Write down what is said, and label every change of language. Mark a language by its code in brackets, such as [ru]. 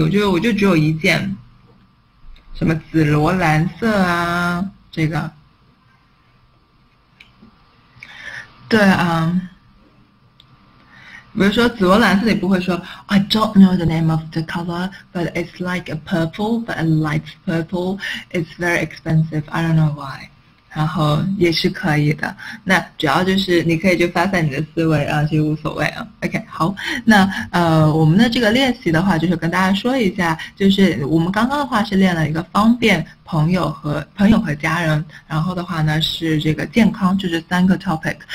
[zh] 我就只有一件，什么紫罗兰色啊，这个。对啊，比如说紫罗兰色，你不会说 [en] "I don't know the name of the color, but it's like a purple, but a light purple. It's very expensive. I don't know why." [zh] 然后也是可以的。那主要就是你可以就发散你的思维啊，其实无所谓啊。 OK，好，那我们的这个练习的话，就是跟大家说一下，就是我们刚刚的话是练了一个方便朋友和家人，然后的话呢是这个健康，就是三个 topic。